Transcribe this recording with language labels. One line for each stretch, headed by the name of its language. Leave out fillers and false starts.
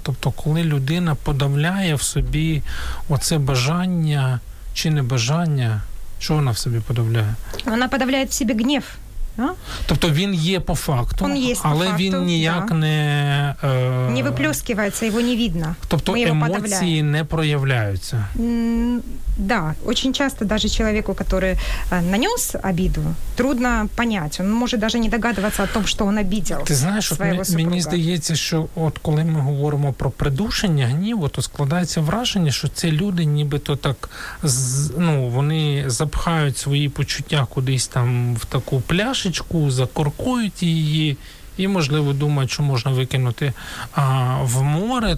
Ukrainian: Тобто, коли людина подавляє в собі оце бажання чи небажання, що вона в собі подавляє? Вона подавляє в собі гнів. Тобто він є по факту, але по факту, він ніяк да. не... Не виплюскивається, його не видно. Тобто емоції не проявляються.
Russian: Да, очень часто даже человеку, который нанес обиду, трудно понять. Он может даже не догадываться о том, что он обидел.
Ukrainian: Ти знаєш,
Russian: своего супруга.
Ukrainian: Мені здається, що от коли ми говоримо про придушення гніву, то складається враження, що це люди нібито так, ну, вони запхають свої почуття кудись там в таку пляшечку, закоркують її. І, можливо, думають, що можна викинути в море.